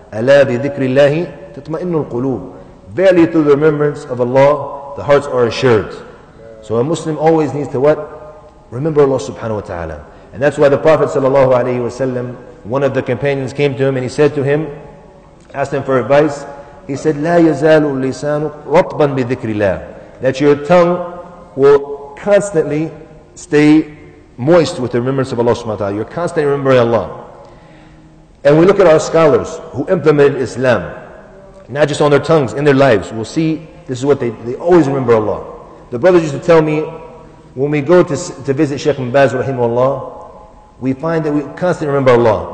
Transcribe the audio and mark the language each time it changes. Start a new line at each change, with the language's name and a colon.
Arabic: أَلَا بِذِكْرِ اللَّهِ تَطْمَئِنُّ الْقُلُوبِ.
English: Verily through the remembrance of Allah, the hearts are assured. So a Muslim always needs to what? Remember Allah subhanahu wa ta'ala. And that's why the Prophet sallallahu alayhi wa sallam, one of the companions came to him and he said to him, asked him for advice. He said,
Arabic: لَا يَزَالُ اللِّسَانُ رَطْبًا بِذِكْرِ اللَّهِ.
English: That your tongue will constantly stay moist with the remembrance of Allah subhanahu wa ta'ala. You're constantly remembering Allah. And we look at our scholars who implemented Islam, not just on their tongues, in their lives. We'll see this is what they always remember Allah. The brothers used to tell me, when we go to visit Shaykh Ibn Baz rahimahullah, we find that we constantly remember Allah.